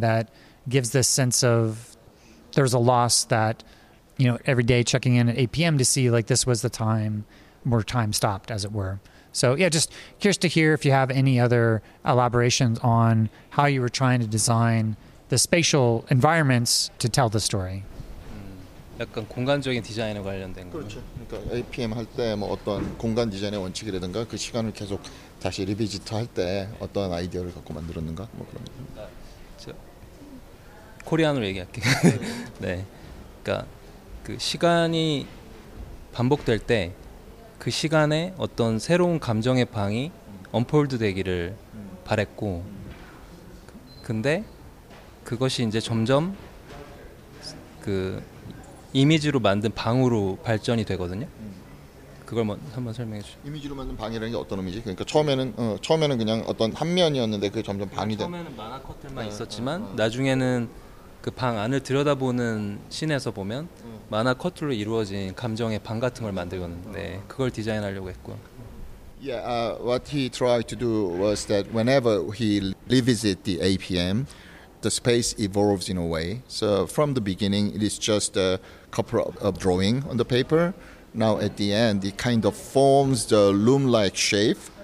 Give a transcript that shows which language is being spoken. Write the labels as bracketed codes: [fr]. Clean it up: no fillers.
[en] that gives this sense of there's a loss that, you know, every day checking in at 8 p.m. to see like this was the time where time stopped, as it were. So yeah, just curious to hear if you have any other elaborations on how you were trying to design the spatial environments to tell the story. [ko] 약간 공간적인 디자인에 관련된 거. 그렇죠. 그러니까 APM 할 때 뭐 어떤 공간 디자인의 원칙이라든가 그 시간을 계속 다시 리비지트 할 때 어떤 아이디어를 갖고 만들었는가 뭐 그런. 아, 저 코리안으로 얘기할게. 네. 그러니까 그 시간이 반복될 때 그 시간에 어떤 새로운 감정의 방이 언폴드 되기를 바랬고 근데 그것이 이제 점점 그 이미지로 만든 방으로 발전이 되거든요. 그걸 한번 설명해 주세요. 이미지로 만든 방이라는 게 어떤 의미지? 그러니까 처음에는 그냥 어떤 한 면이었는데 그게 점점 방이 된. 처음에는 만화 커튼만 있었지만 나중에는 그 방 안을 들여다보는 씬에서 보면 만화 커튼으로 이루어진 감정의 방 같은 걸 만들었는데 그걸 디자인하려고 했고요. [en] Yeah, what he tried to do was that whenever he revisit the APM, the space evolves in a way. So from the beginning, it is just a couple of drawing on the paper. Now at the end, it kind of forms the loom-like shape.